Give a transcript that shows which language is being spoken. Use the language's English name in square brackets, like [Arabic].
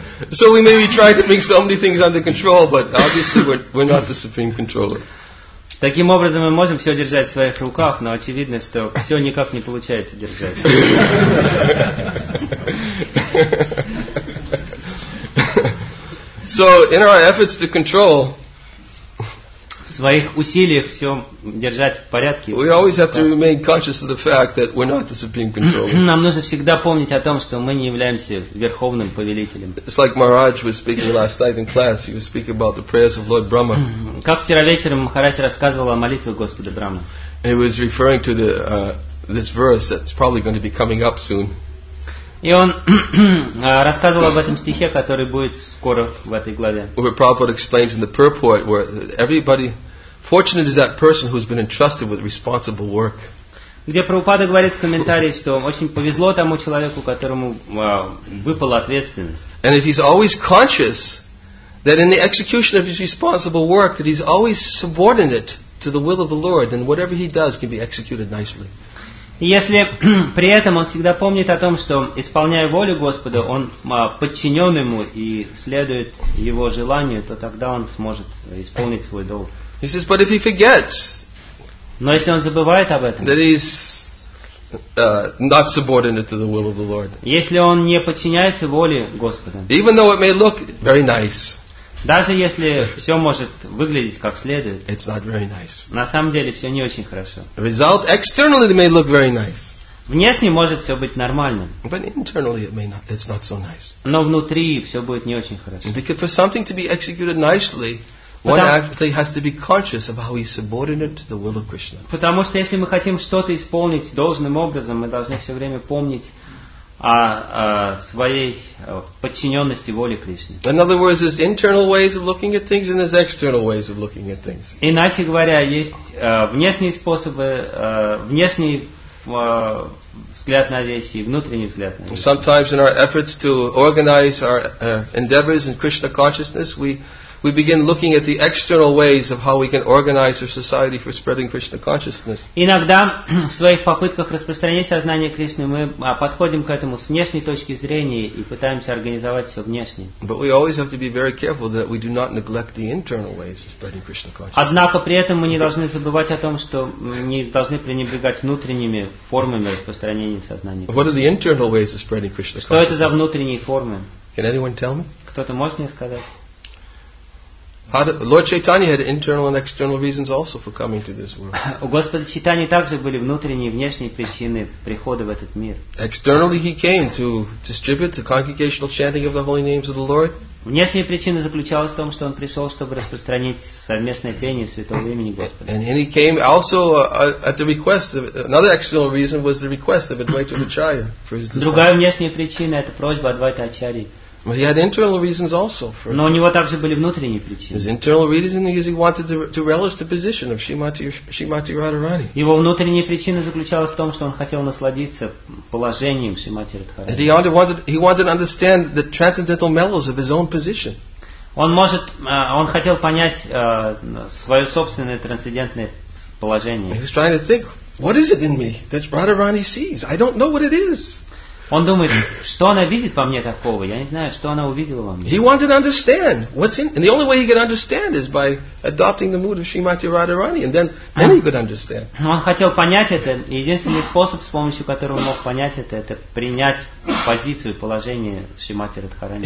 [English] So we may be trying to bring so many things under control, but obviously we're not the supreme controller. [Russian] Таким образом мы можем все держать в своих руках, но очевидно, что все никак не получается держать. [English] So in our efforts to control, [Russian] в своих усилиях все держать в порядке, [English] we always have to remain conscious of the fact that we're not the supreme controller. [Russian] Нам нужно всегда помнить о том, что мы не являемся верховным повелителем. [English] It's like Maharaj was speaking last night in class. He was speaking about the prayers of Lord Brahma. [Russian] Как вчера вечером Махарадж рассказывал о молитве Господа Брахмы. [English] He was referring to the this verse that's probably going to be coming up soon. [Russian] И он рассказывал об этом стихе, который будет скоро в этой главе. [English] Where Prabhupada explains in the purport where everybody, fortunate is that person who's been entrusted with responsible work. [Russian] Где Прабхупада говорит в комментарии, что очень повезло тому человеку, которому выпала ответственность. [English] And if he's always conscious that in the execution of his responsible work that he's always subordinate to the will of the Lord, then whatever he does can be executed nicely. [Russian] Если при этом он всегда помнит о том, что исполняя волю Господа, он подчинен ему и следует его желанию, то тогда он сможет исполнить свой долг. [English] He says, but if he forgets, [Russian] но если он забывает об этом, [English] that he's not subordinate to the will of the Lord. [Russian] Если он не подчиняется воле Господа, [English] even though it may look very nice, [Russian] даже если все может выглядеть как следует, [English] it's not very nice. [Russian] На самом деле все не очень хорошо. [English] Result externally may look very nice. [Russian] Внешне может все быть нормальным. [English] But internally it may not, it's not so nice. [Russian] Но внутри все будет не очень хорошо. [English] Because for something to be executed nicely, one actually has to be conscious of how he's subordinate to the will of Krishna. [Russian] Потому что если мы хотим что-то исполнить должным образом, мы должны все время помнить своей подчиненности воле Кришны. [English] In other words, there's internal ways of looking at things and there's external ways of looking at things. [Russian] Иначе говоря, есть внешние способы, внешний взгляд на вещи и внутренний взгляд на вещи. [English] Sometimes in our efforts to organize our endeavors in Krishna consciousness, we begin looking at the external ways of how we can organize our society for spreading Krishna consciousness. [Russian] Иногда в своих попытках распространить сознание Кришны мы подходим к этому с внешней точки зрения и пытаемся организовать все внешне. [English] But we always have to be very careful that we do not neglect the internal ways of spreading Krishna consciousness. [Russian] Однако при этом мы не должны забывать о том, что не должны пренебрегать внутренними формами распространения сознания. [English] What are the internal ways of spreading Krishna consciousness? [Russian] Что это за внутренние формы? [English] Can anyone tell me? [Russian] Кто-то может мне сказать? [English] Lord Chaitanya had internal and external reasons also for coming to this world. [Russian] У Господа Чайтаньи также были внутренние и внешние причины прихода в этот мир. [English] Externally, he came to distribute the congregational chanting of the holy names of the Lord. [Russian] Внешняя причина заключалась в том, что он пришел, чтобы распространить совместное пение святого имени Господа. [English] And he came also at the request of another external reason was the request of Advaita Acharya for his. [Russian] Другая внешняя причина — это просьба Адвайты Ачарьи. [English] But he had internal reasons also. [Russian] Но у него также были внутренние причины. [English] His internal reason is he wanted to relish the position of Shrimati Radharani. [Russian] Его внутренняя причина заключалась в том, что он хотел насладиться положением Шримати Радхарани. [English] And he wanted to understand the transcendental mellows of his own position. [Russian] Он хотел понять свое собственное трансцендентное положение. [English] He was trying to think, what is it in me that Radharani sees? I don't know what it is. [Russian] Он думает, что она видит во мне такого? Я не знаю, что она увидела во мне. [English] He wanted to understand what's in, and the only way he could understand is by adopting the mood of Shrimati Radharani, and then he could understand. [Russian] Он хотел понять это. Единственный способ, с помощью которого мог понять это принять позицию, положение Шримати Радхарани.